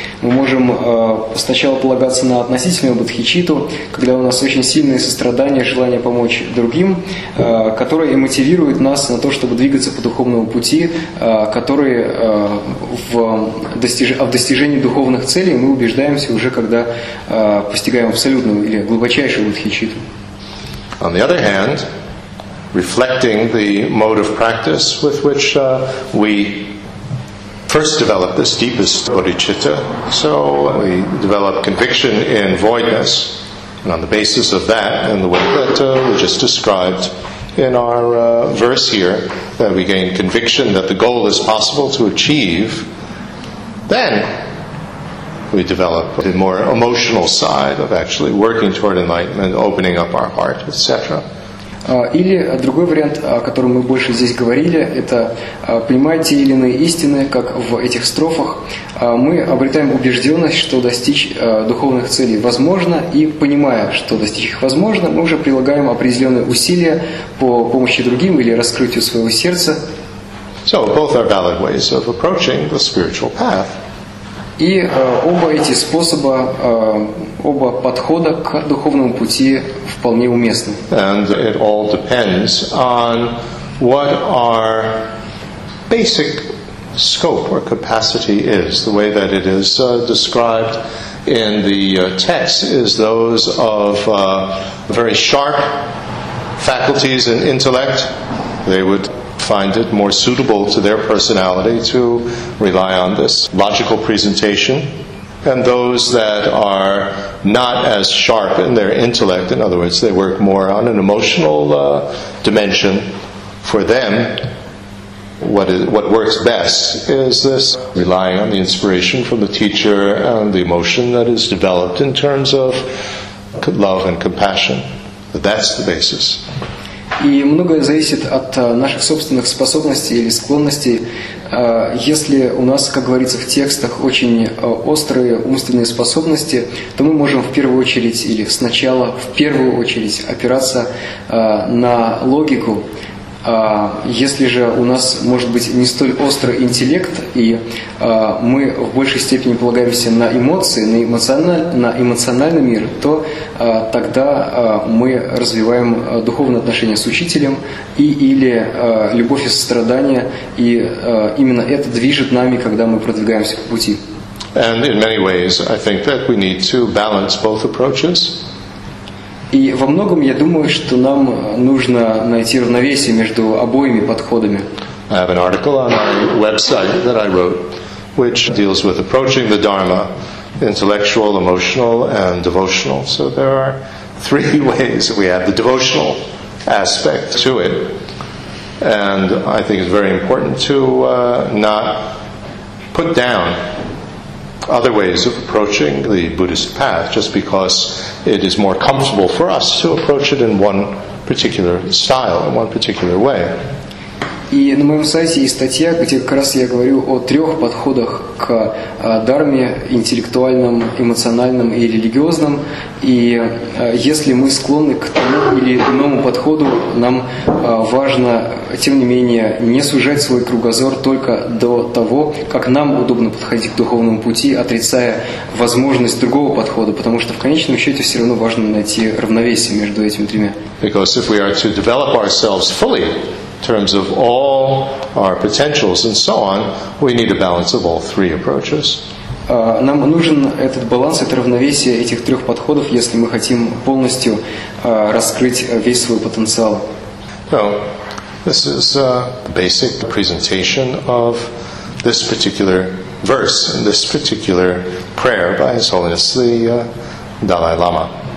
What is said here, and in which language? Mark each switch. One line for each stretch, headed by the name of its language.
Russian: Мы можем сначала полагаться на относительную бодхичитту, когда у нас очень сильные сострадания, желание помочь другим, которые мотивируют нас на то, чтобы двигаться по духовному пути, который в достижении духовных целей мы убеждаемся уже, когда постигаем абсолютную или глубочайшую бодхичитту.
English: On the other hand, reflecting the mode of practice with which we first develop this deepest bodhicitta, so we develop conviction in voidness, and on the basis of that, and the way that we just described in our verse here, that we gain conviction that the goal is possible to achieve, then we develop the more emotional side of actually working toward enlightenment, opening up our heart, etc.
Russian: Или другой вариант, о котором мы больше здесь говорили, это понимая те или иные истины, как в этих строфах, мы обретаем убежденность, что достичь духовных целей возможно, и понимая, что достичь их возможно, мы уже прилагаем определенные усилия по помощи другим или раскрытию своего сердца.
English: So both are valid ways of approaching the spiritual path.
Russian: И оба эти способа, оба подхода к духовному пути вполне уместны.
English: And it all depends on what our basic scope or capacity is. The way that it is described in the text is those of very sharp faculties and intellect. They would find it more suitable to their personality to rely on this logical presentation, and those that are not as sharp in their intellect, in other words, they work more on an emotional dimension, for them what works best is this relying on the inspiration from the teacher and the emotion that is developed in terms of love and compassion. That's the basis.
Russian: И многое зависит от наших собственных способностей или склонностей. Если у нас, как говорится в текстах, очень острые умственные способности, то мы можем в первую очередь или сначала в первую очередь опираться на логику. Если же у нас может быть не столь острый интеллект, и мы в большей степени полагаемся на эмоции, на эмоциональный мир, то тогда мы развиваем духовные отношения с учителем или любовь и сострадание, и именно это движет нами, когда мы продвигаемся по пути.
English: And in many ways, I think that we need to balance both approaches.
Russian: И во многом я думаю, что нам нужно найти равновесие между обоими подходами.
English: I have an article on my website that I wrote, which deals with approaching the Dharma, intellectual, emotional, and devotional. So there are three ways that we have the devotional aspect to it. And I think it's very important to not put down other ways of approaching the Buddhist path just because it is more comfortable for us to approach it in one particular style, in one particular way.
Russian: И на моем сайте есть статья, где как раз я говорю о трех подходах к дарме: интеллектуальном, эмоциональном и религиозном. И если мы склонны к тому или иному подходу, нам важно, тем не менее, не сужать свой кругозор только до того, как нам удобно подходить к духовному пути, отрицая возможность другого подхода, потому что в конечном счете все равно важно найти равновесие между этими тремя.
English: Because if we are to develop ourselves fully, in terms of all our potentials and so on, we need a balance of all three approaches.
Russian: Нам нужен этот баланс, это равновесие этих трех подходов, если мы хотим полностью раскрыть весь свой потенциал.
English: So, this is a basic presentation of this particular verse, this particular prayer by His Holiness the Dalai Lama.